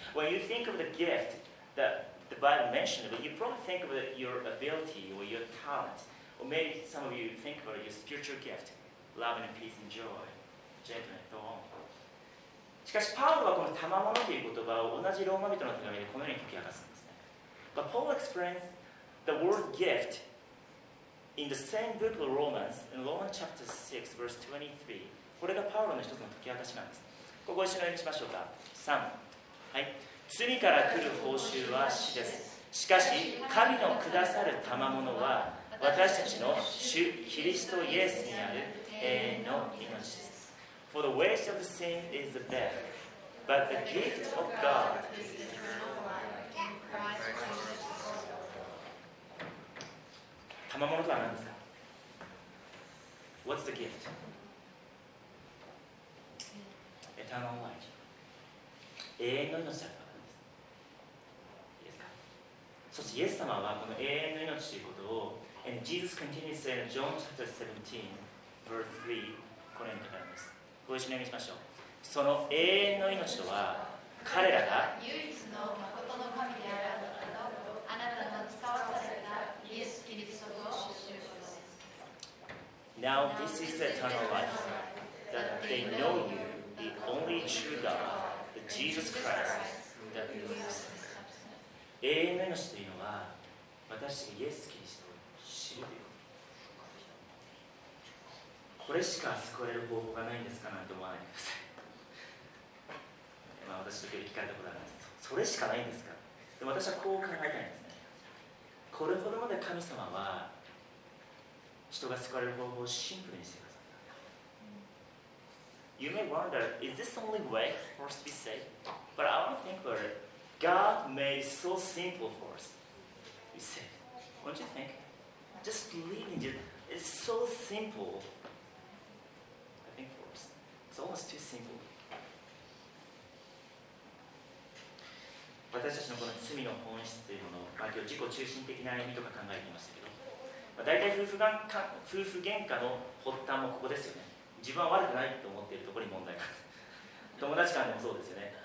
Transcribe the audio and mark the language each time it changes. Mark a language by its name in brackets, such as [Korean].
[English] When you think of the gift that the Bible mentioned, but you probably think of your ability or your talent, or maybe some of you think about your spiritual gift, love and peace and joy, gentleness, so on. [Japanese] しかし、パウロはこの賜物という言葉を同じローマ人の手紙でこのように解き明かすんですね。 [English] But Paul explains the word gift in the same book of Romans, in Romans chapter 6, verse 23. [Japanese] これがパウロの一つの解き明かしなんです。ここ一緒に読みしましょうか。 3、はい、罪から来る報酬は死です。しかし神のくださる賜物は私たちの主キリストイエスにある永遠の命です。 [English] For the wage of sin is the death, but the gift of God is eternal life. [Japanese] 賜物とは何ですか？ [English] What's the gift? Eternal life. [Japanese] 永遠の命だったからです。いいですか？そしてイエス様はこの永遠の命ということを、 [English] And Jesus continues saying in John chapter 17, verse 3, [Japanese] これに書かれます。ご一緒に読みしましょう。その永遠の命とは、彼らが唯一の誠の神であるあなたの使わされたイエス・キリストを知ることです。 [English] Now this is eternal life, that they know you. The only true God, the Jesus Christ, that you have sent. [Japanese] 永遠の命というのは、私たちがイエス・キリストを知るということ。これしか救われる方法がないんですかなんて思わないでください。私の時に聞かれたことがあります。それしかないんですか？でも私はこう考えたいんですね。これほどまで神様は、人が救われる方法をシンプルにしてください。 [English] You may wonder, is this the only way for us to be saved? But I want to think about it. God made it so simple for us to be saved. Don't you think? Just believing it is so simple, I think, for us. It's almost too simple. [Japanese] 私たちのこの罪の本質というもの、今日自己中心的な意味とか考えていましたけど、まあ、大体夫婦喧嘩の発端もここですよね。自分は悪くないと思っているところに問題がある。友達間でもそうですよね。